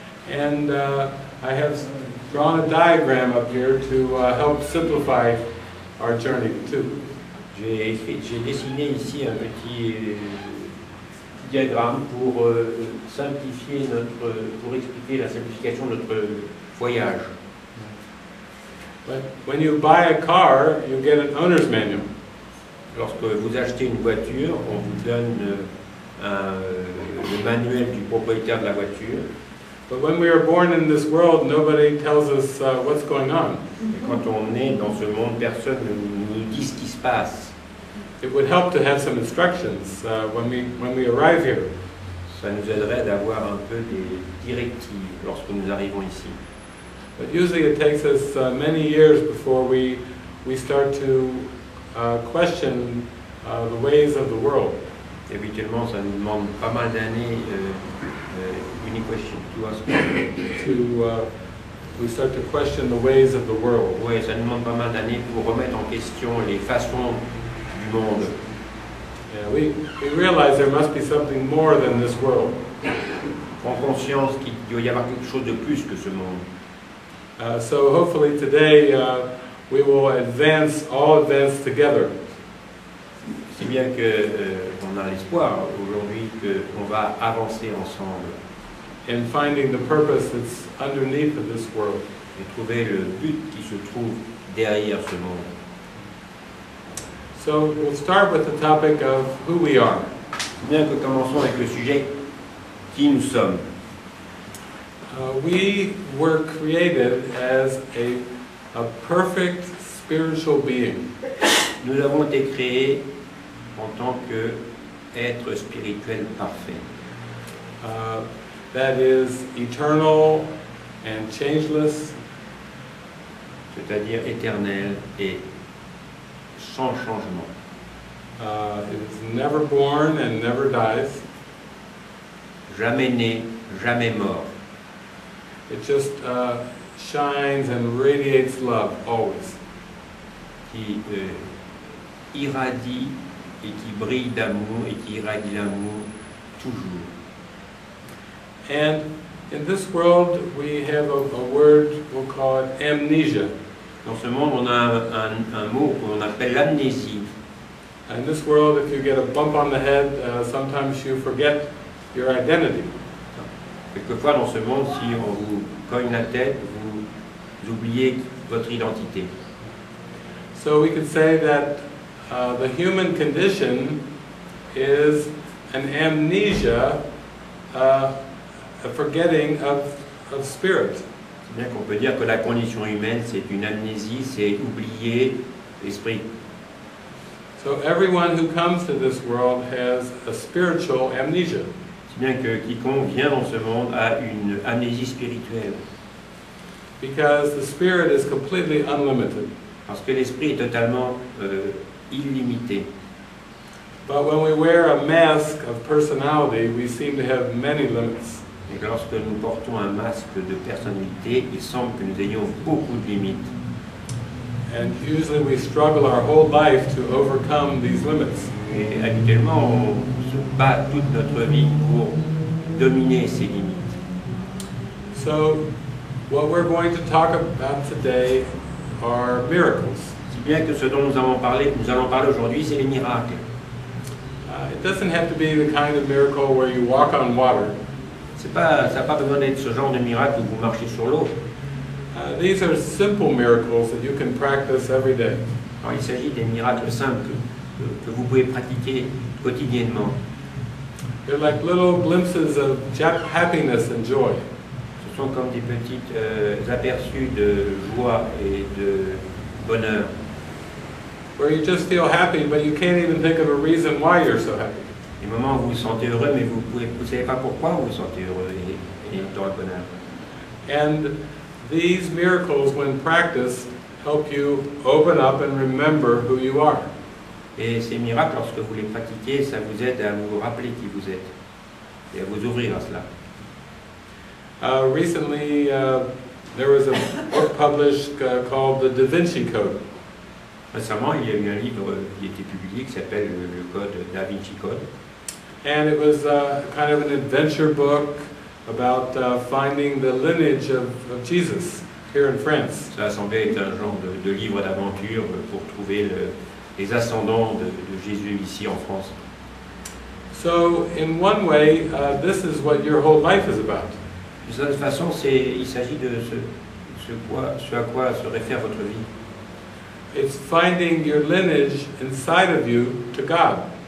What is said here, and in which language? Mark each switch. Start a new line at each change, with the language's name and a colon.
English: And I have drawn a diagram up here to help simplify our journey too.
French: J'ai dessiné ici un petit diagramme pour simplifier notre, pour expliquer la simplification de notre voyage.
English: But when you buy a car, you get an owner's manual.
French: Lorsque vous achetez une voiture, on vous donne le manuel du propriétaire de la voiture.
English: But when we are born in this world, nobody tells us what's going on.
French: Et quand on est dans ce monde, personne ne nous dit ce qui se passe.
English: It would help to have some instructions when we arrive here.
French: ça nous aiderait d'avoir un peu des directives lorsque nous arrivons ici.
English: But usually it takes us many years before we start to question the ways of the world.
French: Habituellement, ça nous demande pas mal d'années une question
English: to ask to we start to question the ways of the world.
French: Oui, ça nous demande pas mal d'années pour remettre en question les façons du monde.
English: Yeah, we realize there must be something more than this world.
French: Prends conscience qu'il doit y avoir quelque chose de plus que ce monde.
English: So hopefully today we will all advance together.
French: Si bien que on a l'espoir aujourd'hui que on va avancer ensemble.
English: In finding the purpose that's underneath of this world.
French: Et trouver le but qui se trouve derrière ce monde.
English: So we'll start with the topic of who we are.
French: Bien que commençons avec le sujet qui nous sommes.
English: We were created as a perfect spiritual being.
French: Nous avons été créés en tant que être spirituel parfait.
English: That is eternal and changeless.
French: C'est-à-dire éternel et sans changement.
English: It's never born and never dies.
French: Jamais né, jamais mort.
English: It just shines and radiates love always.
French: Qui irradie et qui brille d'amour et qui irradie l'amour toujours.
English: And in this world, we have a word we'll call it amnesia.
French: Dans ce monde, on a un mot qu'on appelle l'amnésie.
English: In this world, if you get a bump on the head, sometimes you forget your identity.
French: Quelquefois dans ce monde, si on vous cogne la tête, vous oubliez votre identité.
English: So we could say that the human condition is an amnesia, a forgetting of spirit.
French: Bien qu'on peut dire que la condition humaine, c'est une amnésie, c'est oublier l'esprit.
English: So everyone who comes to this world has a spiritual amnesia.
French: Si bien que quiconque vient dans ce monde a une amnésie spirituelle.
English: Because the spirit is completely unlimited.
French: Parce que l'esprit est totalement illimité.
English: But when we wear a mask of personality, we seem to have many limits.
French: Et que lorsque nous portons un masque de personnalité, il semble que nous ayons beaucoup de limites.
English: And usually we struggle our whole life to overcome these limits.
French: Et habituellement, on se bat toute notre vie pour dominer ces limites.
English: So, what we're going to talk about today are miracles.
French: Si bien que ce dont nous allons parler aujourd'hui, c'est les miracles.
English: It doesn't have to be the kind of miracle where you walk on water.
French: Ça n'a pas besoin d'être ce genre de miracle où vous marchez sur l'eau.
English: These are simple miracles that you can practice every day.
French: Alors, il s'agit des miracles simples que vous pouvez pratiquer quotidiennement.
English: They're like little glimpses of happiness and joy.
French: Ce sont comme des petites aperçus de joie et de bonheur.
English: Where you just feel happy, but you can't even think of a reason why you're so happy.
French: Des moments où vous vous sentez heureux, mais vous ne savez pas pourquoi vous vous sentez heureux et dans le bonheur.
English: And these miracles, when practiced, help you open up and remember who you are.
French: Et ces miracles, lorsque vous les pratiquez, ça vous aide à vous rappeler qui vous êtes et à vous ouvrir à cela.
English: Recently, there was a book published called The Da Vinci Code.
French: Récemment, il y a eu un livre qui a été publié qui s'appelle Le Code Da Vinci Code.
English: And it was kind of an adventure book about finding the lineage of Jesus here in France.
French: Ça semblait être un genre de livre d'aventure pour trouver les ascendants de Jésus ici en France.
English: So, in one way, this is what your whole life is about.
French: D'une certaine façon, il s'agit de ce à quoi se réfère votre vie.
English: It's finding your lineage inside of you to God.